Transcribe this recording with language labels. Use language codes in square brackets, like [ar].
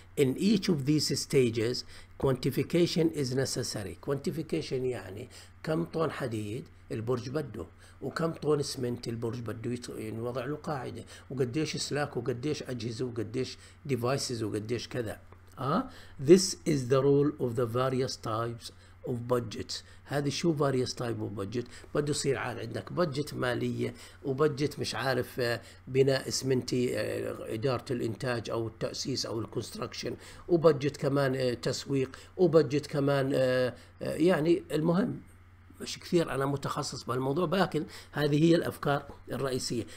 [en] In each of these stages quantification is necessary. [ar] quantification يعني كم طن حديد البرج بده، وكم طن اسمنت البرج بده ينوضع له قاعده، وقديش سلاك وقديش اجهزه وقديش ديفايسز وقديش كذا. [en] This is the role of the various types of budgets. [ar] هذه شو [en] various type of budget؟ [ar] بده يصير عاد عندك budget ماليه وبجت مش عارف بناء اسمنتي، اداره الانتاج او التاسيس او الكونستراكشن، وبجت كمان تسويق، وبجت كمان يعني المهم مش كثير انا متخصص بالموضوع، لكن هذه هي الافكار الرئيسيه.